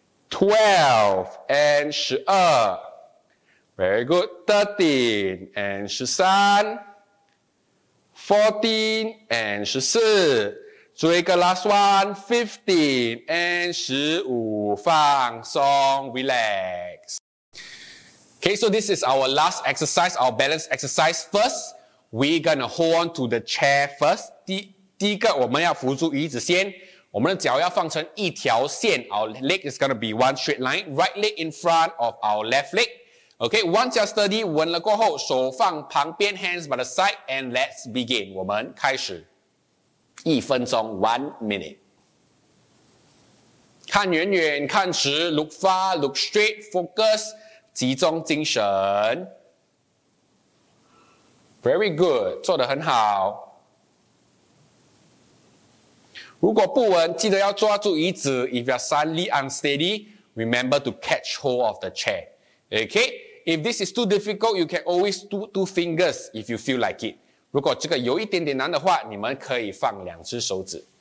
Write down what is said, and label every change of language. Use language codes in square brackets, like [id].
[en] twelve and [zh] 十二 [en] very good, thirteen and [zh] 十三 [en] fourteen and [zh] 十四做一个 [en] last one, fifteen and [zh] 十五放松 [en] relax. Okay, so this is our last exercise, our balance exercise. First, we're gonna hold on to the chair first. [zh] 第一个，我们要扶住椅子先。我们的脚要放成一条线。 [en] Our leg is gonna be one straight line. Right leg in front of our left leg. Okay, once you're steady, [zh] 稳了过后，手放旁边 [en] ，hands by the side, and let's begin. [zh] 我们开始。一分钟 ， [en] one minute. [zh] 看远远，看直 [en] ，look far, look straight, focus. [zh] 集中精神 ， [en] very good， [zh] 做得很好。如果不稳，记得要抓住椅子。 [en] If you're suddenly unsteady, remember to catch hold of the chair. Okay, if this is too difficult, you can always do two fingers if you feel like it. [zh] 如果这个有一点点难的话，你们可以放两只手指。